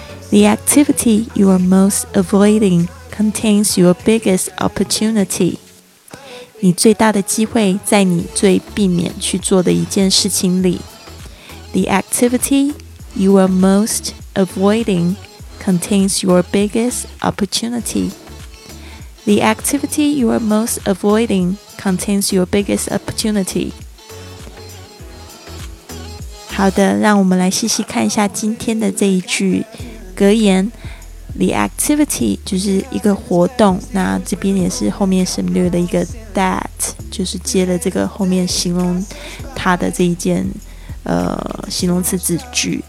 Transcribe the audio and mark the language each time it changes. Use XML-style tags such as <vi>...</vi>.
<en>The activity you are most avoiding contains your biggest opportunity.</en> <zh>你最大的机会在你最避免去做的一件事情里。</zh> <en>The activity you are most avoiding contains your biggest opportunity. The activity you are most avoiding contains your biggest opportunity.</en> <zh>好的，让我们来细细看一下今天的这一句。格言 ，</zh> <en>the activity</en> <zh>就是一个活动，那这边也是后面省略了一个 that， 就是接了这个后面形容它的这一件形容词子句。</zh>